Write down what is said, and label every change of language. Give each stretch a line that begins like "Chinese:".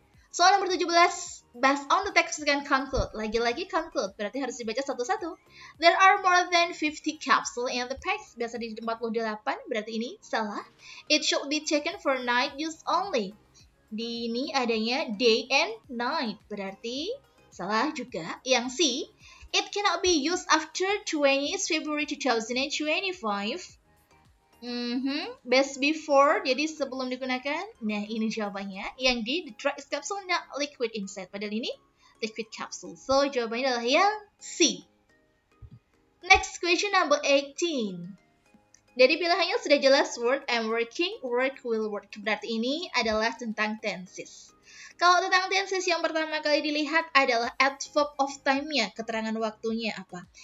Indonesian: Soal nomor 17,
English: based on the text you can conclude.
Indonesian: Lagi-lagi conclude, berarti harus dibaca satu-satu.
English: There are more than 50 capsules in the pack.
Indonesian: Biasa di 48, berarti ini salah.
English: It should be taken for night use only.
Indonesian: Di ini adanya
English: day and night,
Indonesian: berarti salah juga. Yang C,
English: it cannot be used after 20 February 2025. Best before,
Indonesian: jadi sebelum digunakan. Nah, ini jawabannya. Yang D,
English: the drug is capsule, not liquid inside.
Indonesian: Padahal ini liquid capsule.
English: So,
Indonesian: jawabannya adalah yang C.
English: Next question, number 18.
Indonesian: Jadi, pilihannya sudah jelas.
English: Work, I'm working, work, will work.
Indonesian: Berarti ini adalah tentang tenses. Kalau tentang tenses yang pertama kali dilihat adalah adverb of time-nya, keterangan waktunya apa.